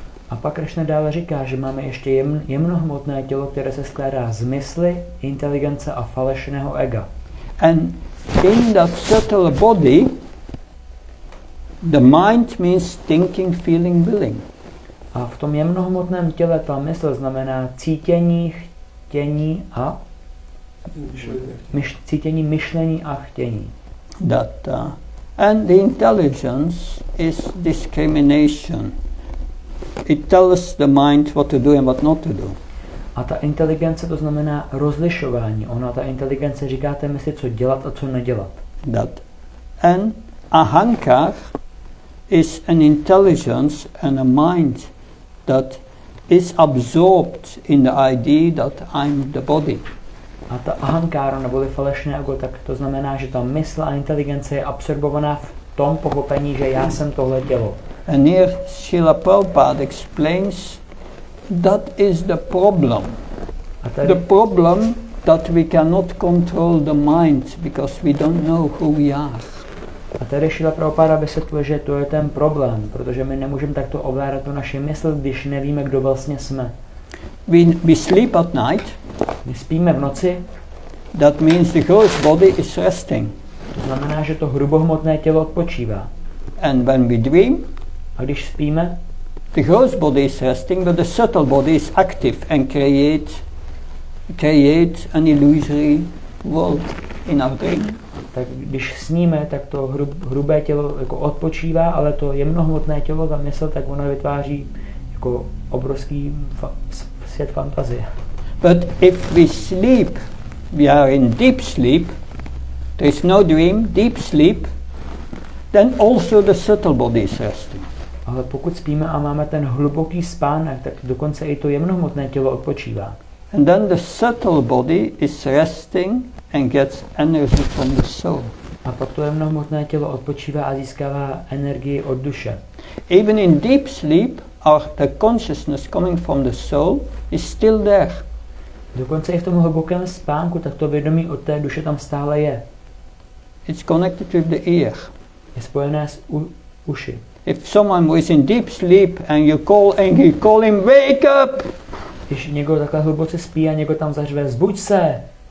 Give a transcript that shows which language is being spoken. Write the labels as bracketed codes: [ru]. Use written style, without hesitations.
[cs] A pak Krishna dále říká, že máme ještě jemnohmotné tělo, které se skládá z mysli, inteligence a falešného ega. [en] And in that subtle body, the mind means thinking, feeling, willing. [cs] A v tom jemnohmotném těle ta mysl znamená cítění, chtění a cítění, myšlení a chtění. [en] That and the intelligence is discrimination. It tells the mind what to do and what not to do. [cs] A ta inteligence to znamená rozlišování. Ona ta inteligence říká té mysli, co dělat a co nedělat. [en] That and ahankar is an intelligence and a mind that is absorbed in the idea that I'm the body. [cs] A ta ahankára neboli falešné ego, tak to znamená, že ta mysl a inteligence je absorbovaná v tom pochopení, že já jsem tohle tělo. [en] And here Srila Prabhupada explains that is the problem. The problem that we cannot control the mind because we don't know who we are. [cs] A tady Srila Prabhupada vysvětluje, že to je ten problém, protože my nemůžeme takto ovládat tu naši mysl, když nevíme, kdo vlastně jsme. [en] We sleep at night. [cs] My spíme v noci. [en] That means the gross body is resting. [cs] To znamená, že to hrubohmotné tělo odpočívá. [en] And when we dream, [cs] a když spíme, [en] the gross body is resting, but the subtle body is active and creates an illusory world in our dream. [cs] Tak když sníme, tak to hrubé tělo jako odpočívá, ale to jemnohmotné tělo, ta mysl, tak ono vytváří jako obrovský svět fantazie. [en] But if we sleep, we are in deep sleep, there is no dream, deep sleep, then also the subtle body is resting. [cs] Ale pokud spíme a máme ten hluboký spánek, tak dokonce i to jemnohmotné tělo odpočívá. [en] And then the subtle body is resting and gets energy from the soul. [cs] A pak to jemnohmotné tělo odpočívá a získává energii od duše. [en] Even in deep sleep, or the consciousness coming from the soul is still there. [cs] Dokonce i v tom hlubokém spánku, tak to vědomí od té duše tam stále je. [en] It's connected with the ear. [cs] Je spojené s uši. [en] If someone was in deep sleep and you call and you call him, wake up! [cs] Když někdo takhle hluboce spí a někdo tam zařve, zbuď se!